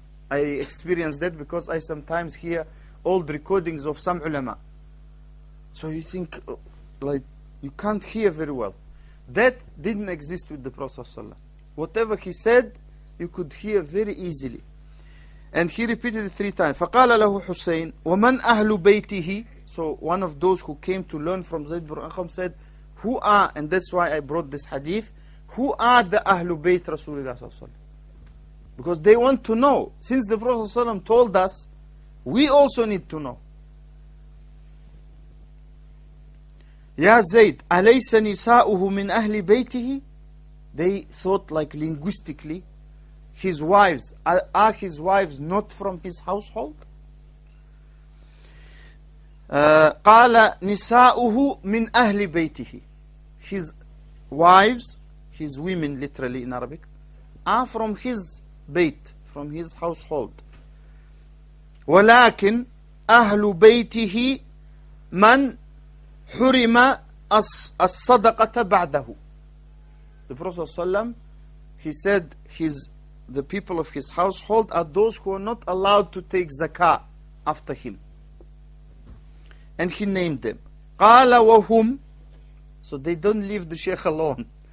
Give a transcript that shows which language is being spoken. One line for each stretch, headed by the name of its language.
English: I experience that because I sometimes hear old recordings of some ulama. So you think, like, you can't hear very well. That didn't exist with the Prophet ﷺ. Whatever he said, you could hear very easily. And he repeated it three times.
Arabic: فقال له حسين ومن أهل بيته.
English: So one of those who came to learn from Zayd ibn Akham said, who are, and that's why I brought this hadith, who are the أهل بيت Rasulullah صلى الله عليه وسلم? Because they want to know. Since the Prophet صلى الله عليه وسلم told us, we also need to know.
Arabic: يا زيد أليس نساؤه من أهل بيته?
English: They thought like linguistically, his wives, are his wives not from his household?
Arabic: قال نساؤه من أهل بيته.
English: His wives, his women literally in Arabic, are from his bait, from his household.
Arabic: ولكن أهل بيته من حرم الصدقة بعده.
English: The Prophet ﷺ, he said his the people of his household are those who are not allowed to take zakah after him. and he named them.
Arabic: Qala wa hum.
English: So they don't leave the sheikh alone.